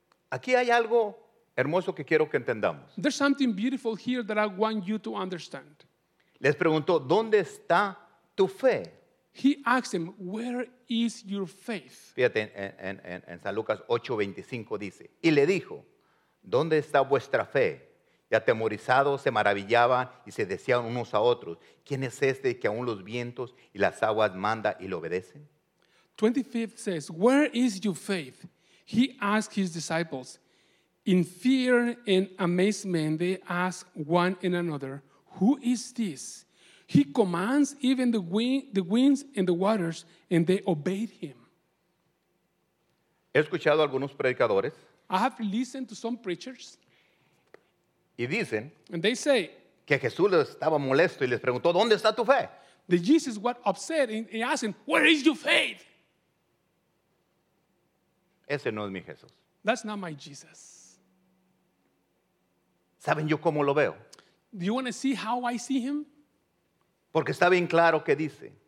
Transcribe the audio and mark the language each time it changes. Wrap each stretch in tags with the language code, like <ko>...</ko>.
<es>Aquí hay algo hermoso que quiero que entendamos.</es> <en>There's something beautiful here that I want you to understand.</en> <es>Les preguntó, ¿dónde está tu fe?</es> <en>He asked him, where is your faith?</en> <es>Fíjate, en San Lucas 8:25 dice, y le dijo, ¿dónde está vuestra fe? Y atemorizados se maravillaban y se decían unos a otros, ¿quién es este que aún los vientos y las aguas manda y le obedecen?</es> <en>25 says, where is your faith? He asked his disciples, in fear and amazement, they asked one and another, who is this? He commands even the winds and the waters, and they obeyed him.</en> <es>He escuchado algunos predicadores.</es> <en>I have listened to some preachers.</en> <es>Y dicen,</es> <en>and they say,</en> <es>que Jesús estaba molesto y les preguntó, ¿dónde está tu fe?</es> <en>That Jesus was upset and asking, where is your faith?</en> <es>Ese no es mi Jesús.</es> <en>That's not my Jesus.</en> <es>¿Saben yo cómo lo veo?</es> <en>Do you want to see how I see him?</en> <es>Porque está bien claro que dice.</es>